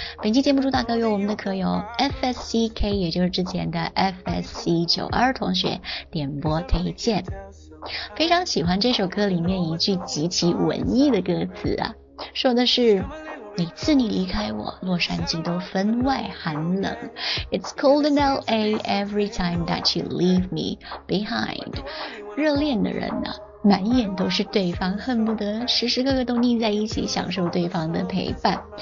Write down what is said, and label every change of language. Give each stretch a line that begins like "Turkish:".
Chinese: 本期节目主打歌由我们的可友 FSCK， 也就是之前的 FSC92 同学点播推荐。非常喜欢这首歌里面一句极其文艺的歌词啊，说的是每次你离开我，洛杉矶都分外寒冷。
English: It's cold in LA every time that you leave me behind.
Chinese: 热恋的人啊，满眼都是对方，恨不得时时刻刻都腻在一起，享受对方的陪伴。